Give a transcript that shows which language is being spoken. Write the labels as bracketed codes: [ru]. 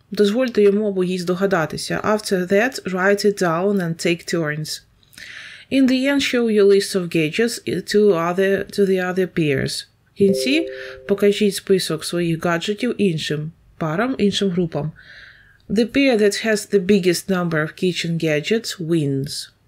[uk] Дозвольте йому або їй здогадатися. [en] After that, write it down and take turns. In the end, show your list of gadgets to the other peers. [uk] В кінці покажіть список своїх гаджетів іншим парам, іншим групам. [en] The pair that has the biggest number of kitchen gadgets wins.